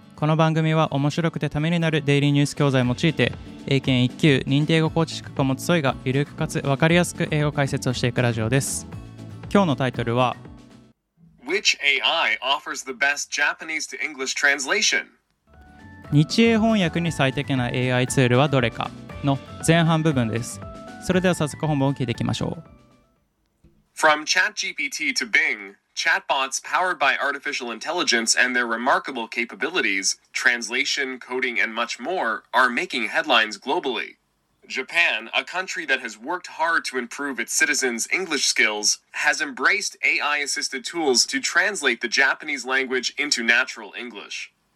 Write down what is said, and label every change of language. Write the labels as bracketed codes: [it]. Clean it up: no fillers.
[ja] この番組は面白くてためになるデイリーニュース教材を用いて英検1級認定語コーチ資格を持つソイがゆるくかつ分かりやすく英語解説をしていくラジオです。今日のタイトルは [en] Which AI offers the best Japanese to English translation? [ja] 日英翻訳に最適な AI ツールはどれかの前半部分です。それでは早速本文を聞いていきましょう。 [en] From ChatGPT to BingChatbots powered by artificial intelligence and their remarkable capabilities, translation, coding, and much more, are making headlines globally. Japan, a country that has worked hard to improve its citizens' English skills, has embraced AI-assisted tools to translate the Japanese language into natural English.